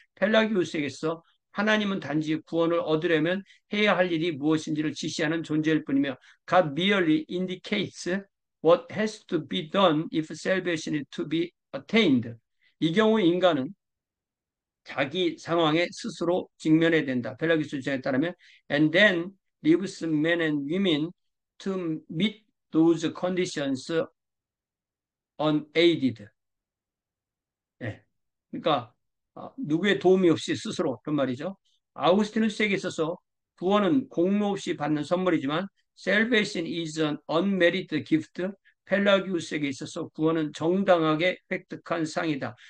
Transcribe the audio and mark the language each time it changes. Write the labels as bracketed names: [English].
[Korean] 펠라규스에게 있어 하나님은 단지 구원을 얻으려면 해야 할 일이 무엇인지를 지시하는 존재일 뿐이며 [English] God merely indicates what has to be done if salvation is to be attained. [Korean] 이 경우 인간은 자기 상황에 스스로 직면해야 된다. 펠라규스 주장에 따르면 [English] and then leaves men and women to meet those conditions unaided. [Korean] 그러니까 누구의 도움이 없이 스스로 그런 말이죠. 아우구스티누스에게 있어서 구원은 공로 없이 받는 선물이지만 [English] salvation is an unmerited gift. [Korean] 펠라규스에게 있어서 구원은 정당하게 획득한 상이다.